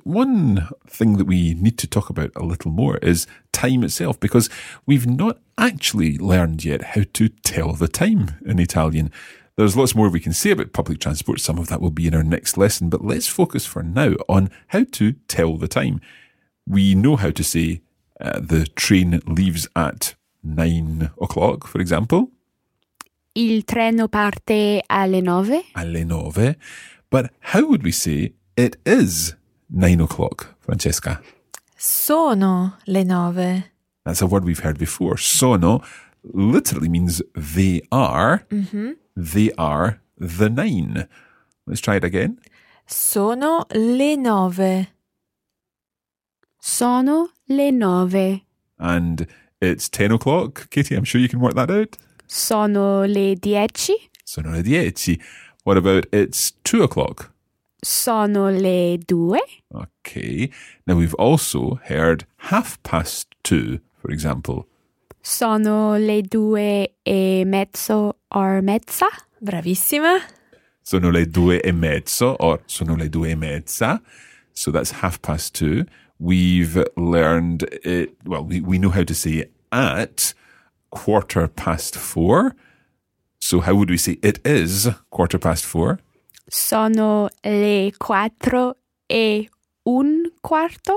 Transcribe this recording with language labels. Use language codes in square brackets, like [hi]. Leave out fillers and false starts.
[en] One thing that we need to talk about a little more is time itself, because we've not actually learned yet how to tell the time in Italian. There's lots more we can say about public transport. Some of that will be in our next lesson, but let's focus for now on how to tell the time. We know how to say the train leaves at 9 o'clock, for example. [it] Il treno parte alle nove. Alle nove. [en] But how would we say it is 9 o'clock, Francesca? [it] Sono le nove. [en] That's a word we've heard before. Sono literally means they are. Mm-hmm. They are the nine. Let's try it again. [it] Sono le nove. Sono le nove. [en] And it's 10 o'clock. Katie, I'm sure you can work that out. [it] Sono le dieci. [en] Sono le dieci. What about it's 2 o'clock? [it] Sono le due. [en] Okay. Now we've also heard half past two, for example. [it] Sono le due e mezzo or mezza. Bravissima. Sono le due e mezzo or sono le due e mezza. [en] So that's half past two. We've learned it, well, we know how to say at 4:15. So how would we say it is 4:15? [it] Sono le 4:15.